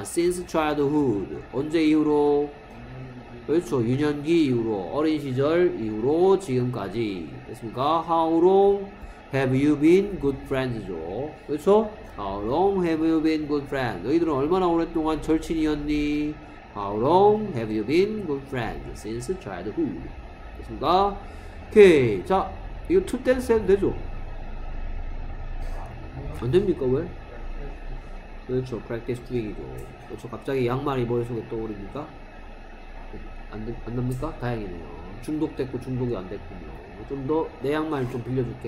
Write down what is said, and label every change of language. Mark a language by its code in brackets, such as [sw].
[en] Since childhood. [ko] 언제 이후로? 그렇죠. 유년기 이후로, 어린 시절 이후로 지금까지 됐습니까? [en] How long have you been good friends죠? [ko] 그렇죠? [en] How long have you been good friends? [ko] 너희들은 얼마나 오랫동안 절친이었니? [en] How long have you been good friends since childhood? [ko] 됐습니까? 오케이. 자, 이거 투 댄스 해도 되죠? 안 됩니까? 왜? 그렇죠. [en] practice doing [ko] 이죠. 그렇죠. 갑자기 양말이 머릿속에 떠오릅니까? 안 납니까? 다행이네요. 중독됐고 중독이 안 됐군요. 좀 더 내 양말 좀 빌려줄게.